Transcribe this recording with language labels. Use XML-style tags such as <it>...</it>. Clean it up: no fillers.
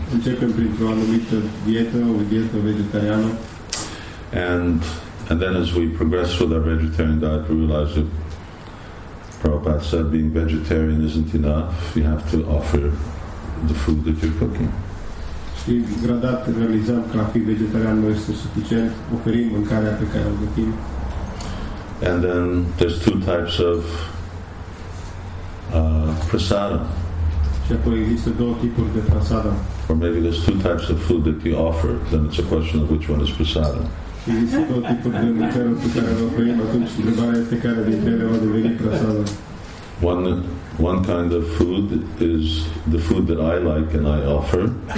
<ro>Începem printr-o anumită dietă, o dietă vegetariană.</ro> <en>And then as we progress with our vegetarian diet, we realize that Prabhupada said being vegetarian isn't enough. You have to offer the food that you're cooking.</en> <ro>Și gradat realizăm că a fi vegetarian nu este suficient. Oferim mâncarea pe care o gătim.</ro> <en>And then there's two types of prasadam.</en> <ro>Și apoi există două tipuri de prasadam.</ro> <en>Or maybe there's two types of food that you offer. Then it's a question of which one is prasadam.</en> <ro>Există două tipuri de mâncare pe care le oferim, atunci întrebarea este care dintre ele va deveni prasadam.</ro> <en>One kind of food is the food that I like and I offer.</en>